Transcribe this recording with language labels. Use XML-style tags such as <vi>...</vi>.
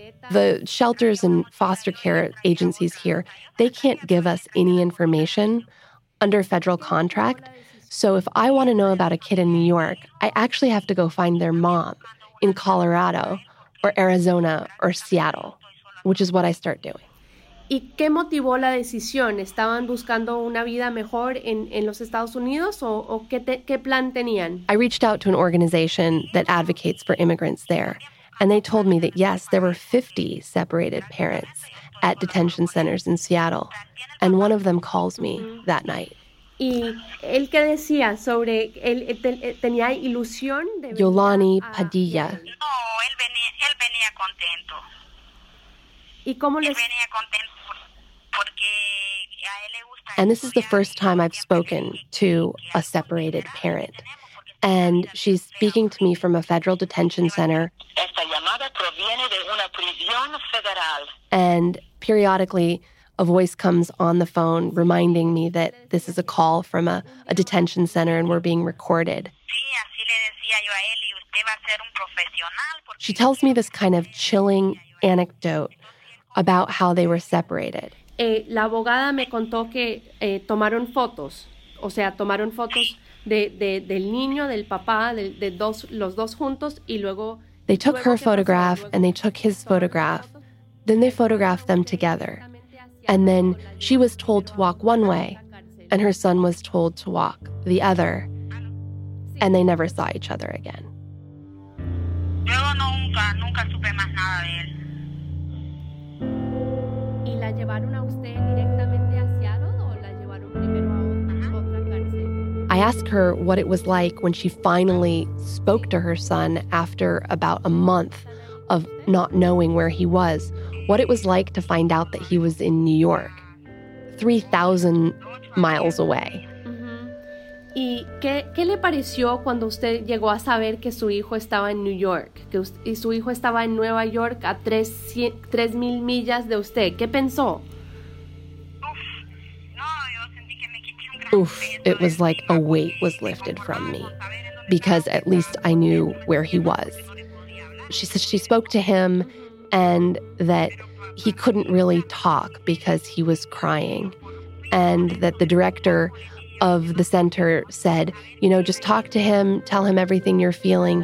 <en>The shelters and foster care agencies here, they can't give us any information under federal contract. So if I want to know about a kid in New York, I actually have to go find their mom in Colorado, or Arizona, or Seattle, which is what I start doing.</en> <es>¿Y qué motivó la decisión? ¿Estaban buscando una vida mejor en los Estados Unidos o qué plan tenían?</es> <en>I reached out to an organization that advocates for immigrants there, and they told me that, yes, there were 50 separated parents at detention centers in Seattle, and one of them calls me that night.</en> <es>¿Y él qué decía sobre él? ¿Tenía ilusión de venir? Yolani Padilla. No, él venía contento. ¿Y cómo les... venía contento porque a él le gusta.</es> <en>And this is the first time I've spoken to a separated parent. And she's speaking to me from a federal detention center.</en> <es>Esta llamada proviene de una prisión federal.</es> <en>And periodically, a voice comes on the phone reminding me that this is a call from a detention center and we're being recorded. She tells me this kind of chilling anecdote about how they were separated.</en> <es>La abogada me contó que tomaron fotos, o sea, tomaron fotos del niño, del papá, de dos, los dos juntos, y luego...</es> <en>They took her photograph and they took his photograph. Then they photographed them together. And then she was told to walk one way, and her son was told to walk the other, and they never saw each other again.</en> <es>Nunca supe más nada de él.</es> <en>I asked her what it was like when she finally spoke to her son after about a month of not knowing where he was, what it was like to find out that he was in New York, 3,000 miles away.</en> <es>¿Y qué le pareció cuando usted llegó a saber que su hijo estaba en New York? Que usted, y su hijo estaba en Nueva York a 3,000 millas de usted. ¿Qué pensó? Uf, no, yo sentí que me quité un gran...</es> <en>Uf, it was like a weight was lifted from me, because at least I knew where he was. She said she spoke to him and that he couldn't really talk because he was crying, and that the director of the center said, you know, just talk to him, tell him everything you're feeling.</en>